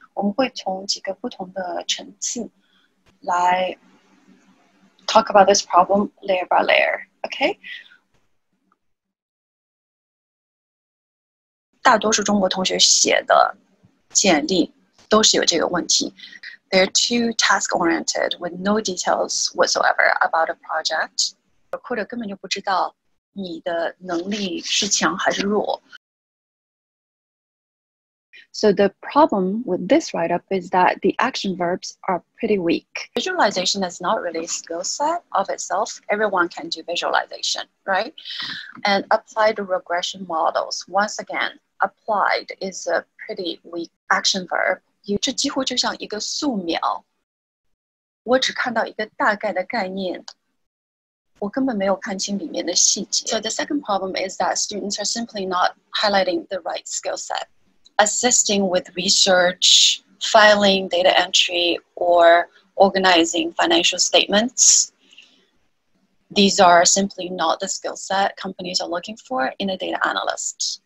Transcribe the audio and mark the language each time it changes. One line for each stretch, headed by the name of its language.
Chinese: 我们会从几个不同的层次来
English: talk about this problem layer by layer。OK？
Chinese: 大多数中国同学写的简历都是有这个问题。
English: They're too task-oriented with no details whatsoever about a project.
Chinese: 或者根本就不知道你的能力是强还是弱。
English: So the problem with this write-up is that the action verbs are pretty weak. Visualization is not really a skill set of itself. Everyone can do visualization, right? And applied regression models, once again, applied is a pretty weak action verb.
Chinese: 这几乎就像一个素描，我只看到一个大概的概念，我根本没有看清里面的细节。
English: So the second problem is that students are simply not highlighting the right skill set. Assisting with research, filing data entry, or organizing financial statements. These are simply not the skill set companies are looking for in a data analyst.